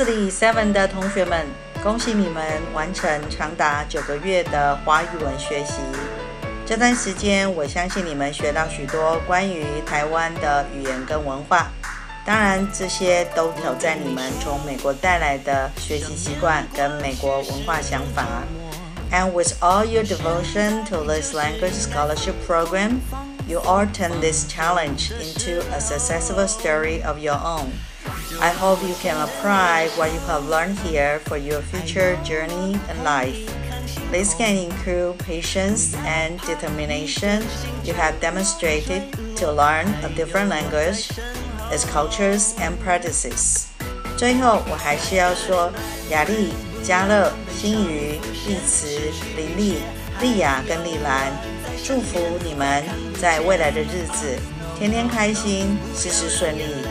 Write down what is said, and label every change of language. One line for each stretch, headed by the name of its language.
Chinese: Seven 的同学们，恭喜你们完成长达9个月的华语文学习。这段时间，我相信你们学到许多关于台湾的语言跟文化。当然，这些都挑战你们从美国带来的学习习惯跟美国文化想法。
English: And with all your devotion to this language scholarship program, you all turn this challenge into a successful story of your own. I hope you can apply what you have learned here for your future journey and life. This can include patience and determination you have demonstrated to learn a different language, its cultures and practices.
Chinese: 最后我还是要说雅丽、嘉乐、新宇、丽慈、林丽、丽雅跟丽兰，祝福你们在未来的日子天天开心，事事顺利。